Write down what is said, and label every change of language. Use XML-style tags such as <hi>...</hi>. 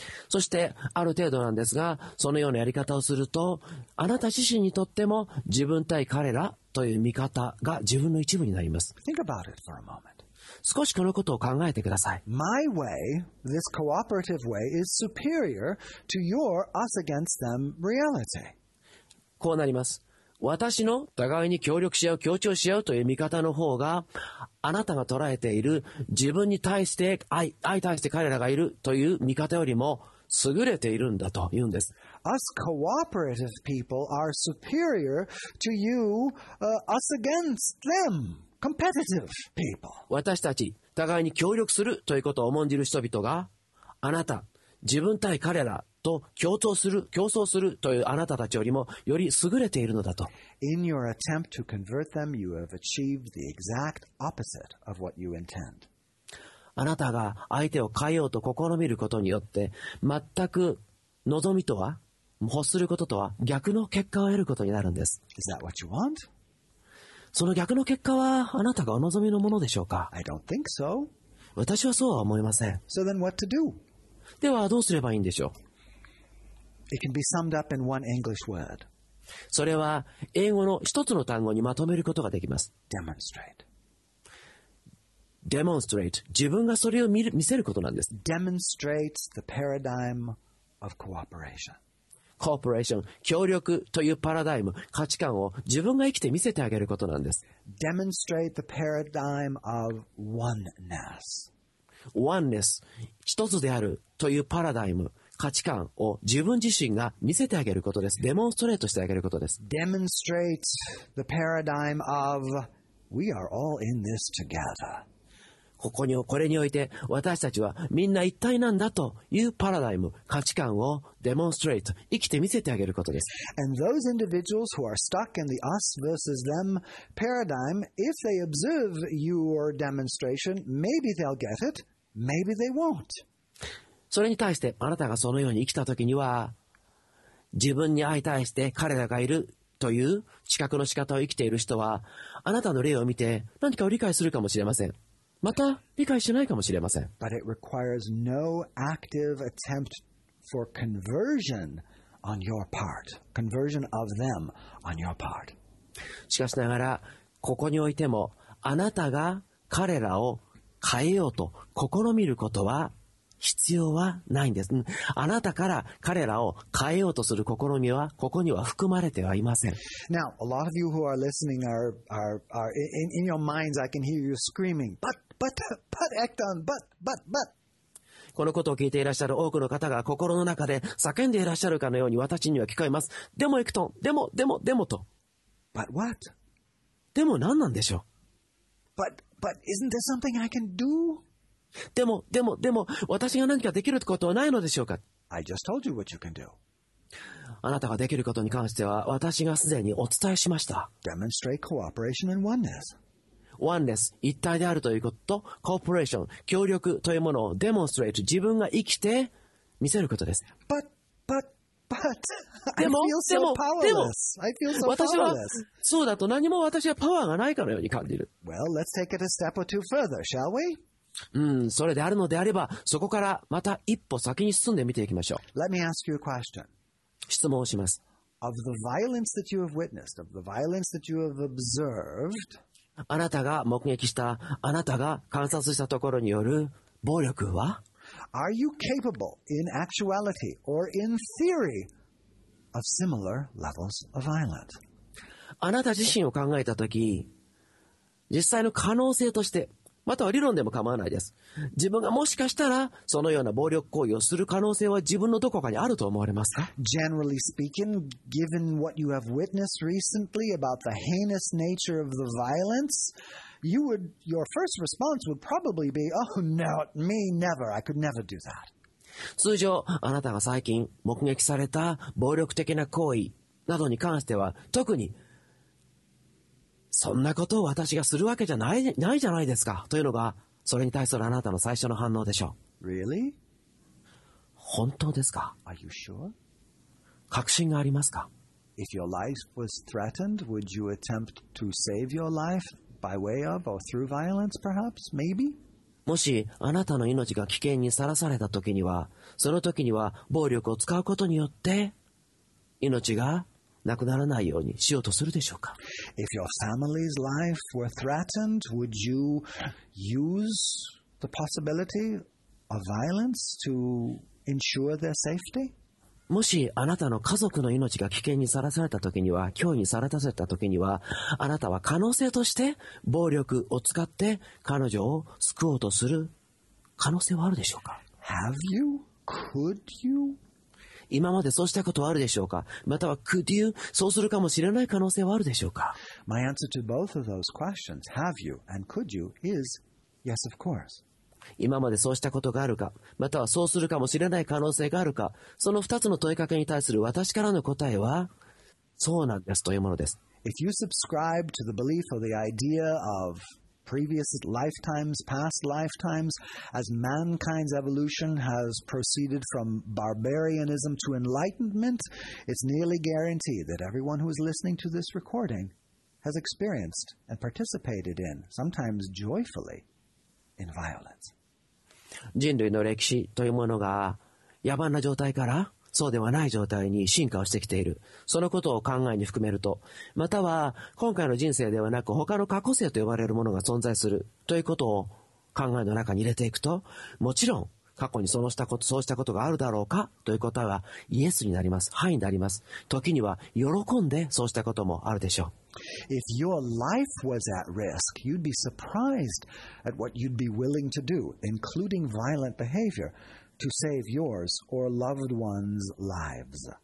<ja>そしてある程度なんですが、そのようなやり方をすると、あなた自身にとっても自分対彼らという見方が自分の一部になります。</ja> <en>Think about it for a moment.</en> <ja>少しこのことを考えてください。</ja> <en>My way, this cooperative way, is superior to your us against them reality.</en> <ja>こうなります。私の互いに協力し合う、協調し合うという見方の方が、あなたが捉えている自分に対して相対して彼らがいるという見方よりも優れているんだと言うんです。</ja> <en>Us cooperative people are superior to you, us against them, competitive people.</en> <ja>私たち互いに協力するということを重んじる人々が、あなた、自分対彼ら、と共闘する、競争するというあなたたちよりもより優れているのだと。</ja> <en>In your attempt to convert them, you have achieved the exact opposite of what you intend.</en> <ja>あなたが相手を変えようと試みることによって、全く望みとは、欲することとは逆の結果を得ることになるんです。</ja> <en>Is that what you want?</en> <ja>その逆の結果はあなたがお望みのものでしょうか?</ja> <en>I don't think so.</en> <ja>私はそうは思いません。</ja> <en>So then what to do?</en> <ja>ではどうすればいいんでしょう?</ja> <en>It can be summed up in one English word.</en> <ja>それは英語の一つの単語にまとめることができます。</ja> <en>Demonstrate. Demonstrate.</en> <ja>自分がそれを見せることなんです。</ja> <en>Demonstrate the paradigm of cooperation. Cooperation.</en> <ja>協力というパラダイム、価値観を自分が生きて見せてあげることなんです。</ja> <en>Demonstrate the paradigm of oneness. Oneness.</en> <ja>一つであるというパラダイム。価値観を自分自身が見せてあげることです。デモンストレートしてあげることです。</ja> <en>Demonstrate the paradigm of we are all in this together.</en> <ja>ここにこれにおいて私たちはみんな一体なんだというパラダイム、価値観をデモンストレート、生きて見せてあげることです。</ja> <en>And those individuals who are stuck in the us versus them paradigm, if they observe your demonstration, maybe they'll get it, maybe they won't.</en> <ja>それに対してあなたがそのように生きたときには、自分に相対して彼らがいるという知覚の仕方を生きている人は、あなたの例を見て何かを理解するかもしれません。また理解しないかもしれません。</ja> <en>But it requires no active attempt for conversion on your part. Conversion of them on your part.</en> <ja>しかしながら、ここにおいても、あなたが彼らを変えようと試みることは必要はないんです。あなたから彼らを変えようとする試みはここには含まれてはいません。</ja> <en>Now, a lot of you who are listening are in your minds, I can hear you screaming, but Ekton, but.</en> <ja>このことを聞いていらっしゃる多くの方が心の中で叫んでいらっしゃるかのように私には聞こえます。でも、Ekton、でもと。</ja> <en>But what?</en> <ja>でも何なんでしょう。</ja> <en>But isn't there something I can do?</en> <ja>でも、私が何かできることはないのでしょうか?</ja> <en>I just told you what you can do.</en> <ja>あなたができることに関しては、私がすでにお伝えしました。</ja> <en>Demonstrate cooperation and oneness.</en> <ja>Oneness、一体であるということと、cooperation、協力というものを demonstrate、自分が生きて見せることです。</ja> <en>But, I feel so powerless. I feel so powerless.</en> <ja>そうだと何も私はパワーがないかのように感じる。</ja> <en>Well, let's take it a step or two further, shall we?</en> <ja>それであるのであれば、そこからまた一歩先に進んで見ていきましょう。</ja> <en>Let me ask you a question.</en> <ja>質問をします。</ja> <en>Of the violence that you have witnessed, of the violence that you have observed,</en> <ja>あなたが目撃した、あなたが観察したところによる暴力は?</ja> <en>Are you capable in actuality or in theory of similar levels of violence?</en> <ja>あなた自身を考えたとき、実際の可能性として、または理論でも構わないです。自分がもしかしたらそのような暴力行為をする可能性は自分のどこかにあると思われますか?</ja> <en>Generally speaking, given what you have witnessed recently about the heinous nature of the violence, your first response would probably be, oh, not me, never. I could never do that.</en> <ja>通常、あなたが最近目撃された暴力的な行為などに関しては、特にそんなことを私がするわけじゃないじゃないですかというのが、それに対するあなたの最初の反応でしょう。</ja> <en>Really?</en> <ja>本当ですか?</ja> <en>Are you sure?</en> <ja>確信がありますか?</ja> <en>If your life was threatened, would you attempt to save your life by way of or through violence, perhaps? Maybe?</en> <ja>もしあなたの命が危険にさらされた時には、その時には暴力を使うことによって、命が亡くならないようにしようとするでしょうか?</ja> <en>If your family's life were threatened, would you use the possibility of violence to ensure their safety?</en> <ja>もしあなたの家族の命が危険にさらされたときには、脅威にさらたされたときには、あなたは可能性として暴力を使って彼女を救おうとする可能性はあるでしょうか?</ja> <en>Have you? Could you?</en> <ja>今までそうしたことはあるでしょうか? または、</ja> <en>could you?</en> <ja>そうするかもしれない可能性はあるでしょうか?</ja> <en>My answer to both of those questions, have you and could you, is yes, of course.</en> <ja>今までそうしたことがあるか?またはそうするかもしれない可能性があるか? その二つの問いかけに対する私からの答えは、そうなんですというものです。</ja> <en>If you subscribe to the belief or the idea of previous lifetimes, past lifetimes, as mankind's evolution has proceeded from barbarianism to enlightenment, it's nearly guaranteed that everyone who is listening to this recording has experienced and participated in, sometimes joyfully, in violence.</en> <ja>人類の歴史というものが野蛮な状態からそうではない状態に進化をしてきている。そのことを考えに含めると、または今回の人生ではなく他の過去世と呼ばれるものが存在するということを考えの中に入れていくと、もちろん過去にそのしたこと、そうしたことがあるだろうかという答えはイエスになります。はいになります。時には喜んでそうしたこともあるでしょう。</ja> <en>If your life was at risk, you'd be surprised at what you'd be willing to do, including violent behavior.To save yours or loved ones' lives.</en>